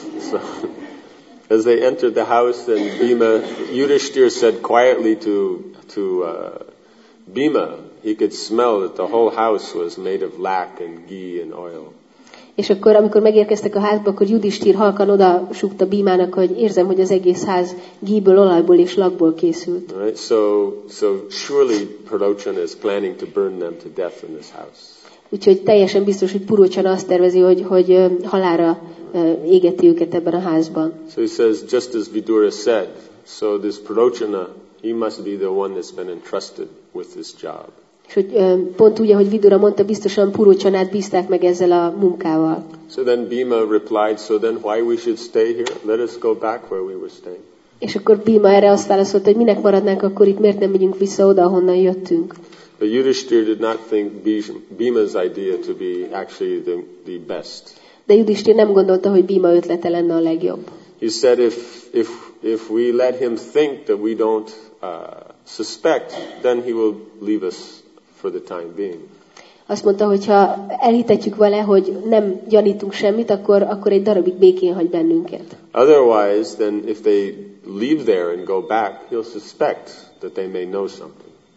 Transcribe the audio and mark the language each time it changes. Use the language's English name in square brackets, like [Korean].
[English] So, as they entered the house, then Bhima, Yudhishthir said quietly to Bhima, he could smell that the whole house was made of lac and ghee and oil. [Hungarian] És akkor, amikor megérkeztek a házba, akkor Yudhishthir halkan oda súgta Bhimának, hogy érzem, hogy az egész ház ghee-ből, olajból és lakból készült. [English] Right, so surely Purochana is planning to burn them to death in this house. [Hungarian] Úgyhogy teljesen biztos, hogy Purochana azt tervezi, hogy halálra égeti őket ebben a házban. [English] So he says, just as Vidura said, so this Purochana, he must be the one that's been entrusted with this job. [Hungarian] és hogy pont úgy, ahogy Vidura mondta, biztosan Purocsanát bízták meg ezzel a munkával. [English] So then Bhima replied, so then why we should stay here? Let us go back where we were staying. [Hungarian] És akkor Bhima erre azt válaszolta, hogy minek maradnánk, akkor itt miért nem megyünk vissza oda, ahonnan jöttünk. [English] But Yudhishthira did not think Bhima's idea to be actually the best. [Hungarian] De Yudhishthira nem gondolta, hogy Bhima ötlete lenne a legjobb. [English] He said if we let him think that we don't suspect, then he will leave us for the time being. [Hungarian] Azt mondta, hogy ha elhitetjük vele, hogy nem gyanítunk semmit, akkor egy darabig békén hagy bennünket. [English] Otherwise, then if they leave there and go back, he'll suspect that they may know something.